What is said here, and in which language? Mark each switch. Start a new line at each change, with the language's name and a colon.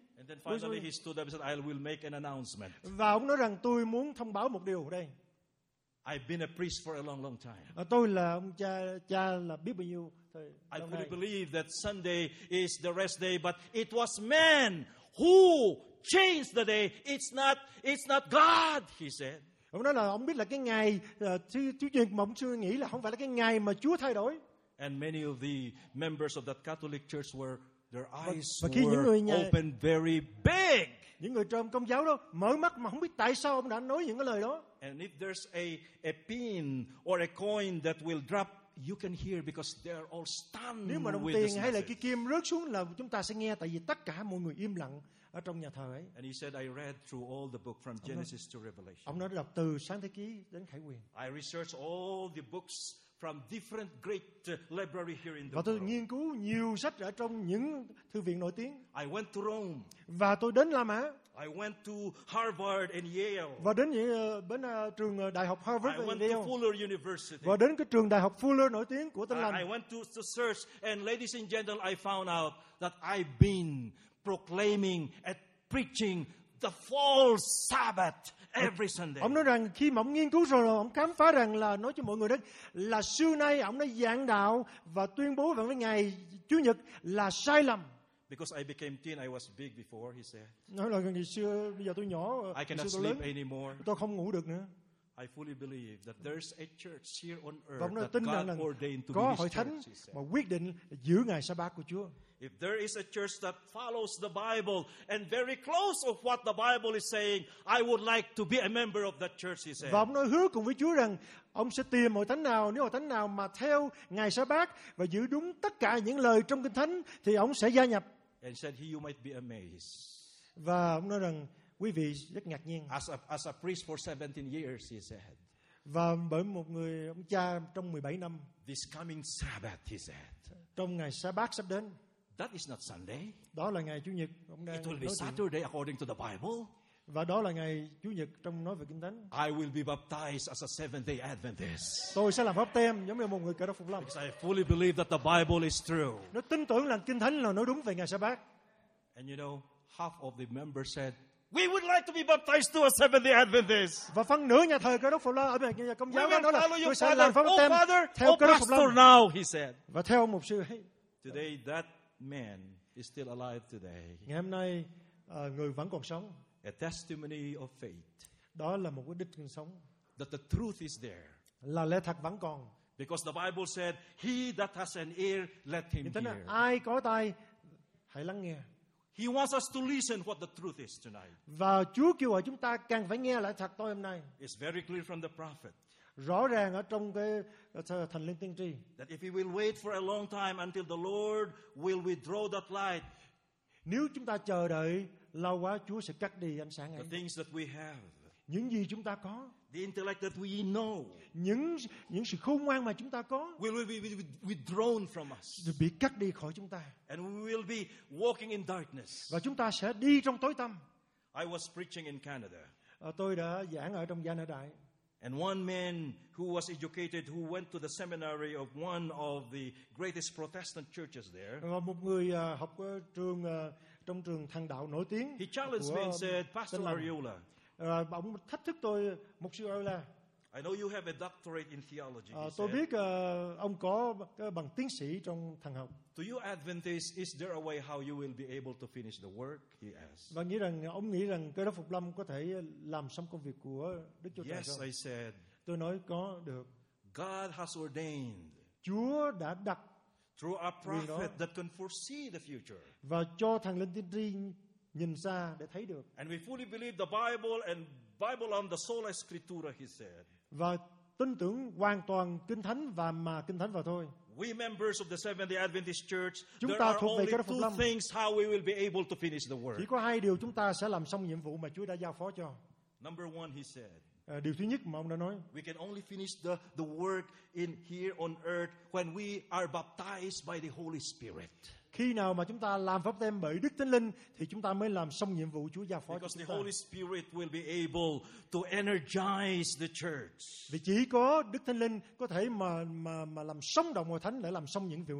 English: And then finally he stood up and said, I will make an announcement.
Vietnamese: Và ông nói rằng tôi muốn thông báo một điều đây.
English: I've been a priest for a long, long time.
Vietnamese: Tôi là ông cha là biết bao nhiêu thời.
English: I couldn't believe that Sunday is the rest day, but it was man who changed the day. It's not God, he said.
Vietnamese: Ông nói là ông biết là cái ngày Chủ nhật mà ông chưa nghĩ là không phải là cái ngày mà Chúa thay đổi.
English: And many of the members of that Catholic church were their eyes were open very big.
Vietnamese: Những người trong Công giáo đó mở mắt mà không biết tại sao ông đã nói những cái lời đó.
English: And if there's a pin or a coin that will drop, you can hear because they're all stunned.
Vietnamese: Nếu mà đồng tiền hay là cái kim rớt xuống là chúng ta sẽ nghe tại vì tất cả mọi người im lặng. Ở trong nhà thờ ấy.
English: And he said, I read through all the book from Genesis to Revelation.
Vietnamese: Ông nói đọc từ Sáng Thế Ký đến Khải Huyền.
English: I researched all the books from different great library here in the world.
Vietnamese: Và tôi nghiên cứu nhiều sách ở trong những thư viện nổi tiếng.
English: I went to Rome.
Vietnamese: Và tôi đến La Mã.
English: I went to Harvard and Yale.
Vietnamese: Và đến những bên trường đại học Harvard và Yale.
English: I went to Fuller University.
Vietnamese: Và đến cái trường đại học Fuller nổi tiếng của Tin Lành.
English: I went to search, and ladies and gentlemen, I found out that I've been proclaiming and preaching the false Sabbath every Sunday.
Vietnamese: Ông nói rằng khi mà ông nghiên cứu rồi, ông khám phá rằng là nói cho mọi người đấy là xưa nay ông đã giảng đạo và tuyên bố vào cái ngày Chủ nhật là sai lầm.
English: Because I became teen, I was big before, he said.
Vietnamese: Nói là ngày xưa, bây giờ tôi nhỏ,
English: I cannot sleep anymore.
Vietnamese: Tôi không ngủ được nữa.
English: I fully believe that there's a church here on earth that God ordained to be his church, he said.
Vietnamese: Có hội thánh mà quyết định giữ ngày Sa-bát của Chúa.
English: If there is a church that follows the Bible and very close of what the Bible is saying, I would like to be a member of that church, he said.
Vietnamese: Và ông nói hứa cùng với Chúa rằng ông sẽ tìm hội thánh nào, nếu hội thánh nào mà theo ngày Sa-bát và giữ đúng tất cả những lời trong Kinh Thánh thì ông sẽ gia nhập.
English: And said he, you might be amazed.
Vietnamese: Và ông nói rằng quý vị rất ngạc nhiên.
English: As a priest for 17 years, he said.
Vietnamese: Và bởi một người ông cha trong 17 năm.
English: This coming Sabbath, he said.
Vietnamese: Trong ngày Sa-bát sắp đến.
English: That is not Sunday.
Vietnamese: Đó là ngày Chủ nhật.
English: It will be Saturday according to the Bible.
Vietnamese: Và đó là ngày Chủ nhật trong nói về Kinh Thánh.
English: I will be baptized as a Seventh-day Adventist.
Vietnamese: Tôi sẽ làm báp têm giống như một người Cơ Đốc phục lâm.
English: Because I fully believe that the Bible is true.
Vietnamese: Nó tin tưởng là Kinh Thánh là nói đúng về ngày Sa-bát.
English: And you know, half of the members said, we would like to be baptized to a Seventh-day Adventist.
Vietnamese: Và phần nửa nhà thờ Cơ Đốc phục lâm ở bên nhà công giáo đó là tôi sẽ làm báp têm theo Cơ Đốc phục lâm.
English: Now, he said.
Vietnamese: Và theo mục sư ấy.
English: Today, that man is still alive today.
Vietnamese: Ngày hôm nay người vẫn còn sống.
English: A testimony of faith.
Vietnamese: Đó là một cái đích chứng sống.
English: That the truth is there.
Vietnamese: Là lẽ thật vẫn còn.
English: Because the Bible said, he that has an ear, let him hear.
Vietnamese: Nên ai có tai hãy lắng nghe.
English: He wants us to listen what the truth is tonight.
Vietnamese: Và Chúa kêu gọi chúng ta càng phải nghe lẽ thật tối hôm nay.
English: It's very clear from the prophet.
Vietnamese: Rõ ràng ở trong cái thần linh tiên tri.
English: That if we will wait for a long time until the Lord will withdraw that light.
Vietnamese: Nếu chúng ta chờ đợi lâu quá, Chúa sẽ cắt đi ánh sáng ấy.
English: The things that we have.
Vietnamese: Những gì chúng ta có.
English: The intellect that we know.
Vietnamese: Những sự khôn ngoan mà chúng ta có.
English: Will be withdrawn from us.
Vietnamese: Bị cắt đi khỏi chúng ta.
English: And we will be walking in darkness.
Vietnamese: Và chúng ta sẽ đi trong tối tăm.
English: I was preaching in Canada.
Vietnamese: Tôi đã giảng ở trong Canada.
English: And one man who was educated, who went to the seminary of one of the greatest Protestant churches there.
Vietnamese: Và một người học trường trong trường thần đạo nổi tiếng.
English: He challenged me and said, Pastor Ariola.
Vietnamese: Ông thách thức tôi, mục sư Ariola.
English: I know you have a doctorate in theology.
Vietnamese: Tôi biết ông có bằng tiến sĩ trong thần học.
English: Do you Adventists, is there a way how you will be able to finish the work? He asked.
Vietnamese: Và nghĩ rằng ông nghĩ rằng Cơ Đốc phục lâm có thể làm xong công việc của Đức Chúa Trời không?
English: Yes, I said.
Vietnamese: Tôi nói có được.
English: God has ordained.
Vietnamese: Chúa đã đặt.
English: Through a prophet that can foresee the future.
Vietnamese: Và cho thần linh tiên tri nhìn xa để thấy được.
English: And we fully believe the Bible and Bible on the sola scriptura, he said.
Vietnamese: Và tin tưởng hoàn toàn Kinh Thánh và mà Kinh Thánh vào thôi.
English: We members of the Seventh-day Adventist Church,
Vietnamese: chúng ta thuộc về Cơ Đốc phục lâm.
English: Two things how we will be able to finish the work.
Vietnamese: Chỉ có hai điều chúng ta sẽ làm xong nhiệm vụ mà Chúa đã giao phó cho.
English: Number one, he said.
Vietnamese: Điều thứ nhất mà ông đã nói.
English: We can only finish the work in here on earth when we are baptized by the Holy Spirit.
Vietnamese: Khi nào mà chúng ta làm phép thêm bởi Đức Thánh Linh thì chúng ta mới làm xong nhiệm vụ Chúa giao phó
English: Because
Vietnamese: cho chúng ta.
English: The Holy Spirit will be able to energize the church.
Vietnamese: Vì chỉ có Đức Thánh Linh có thể mà làm sống động hội thánh để làm xong những việc.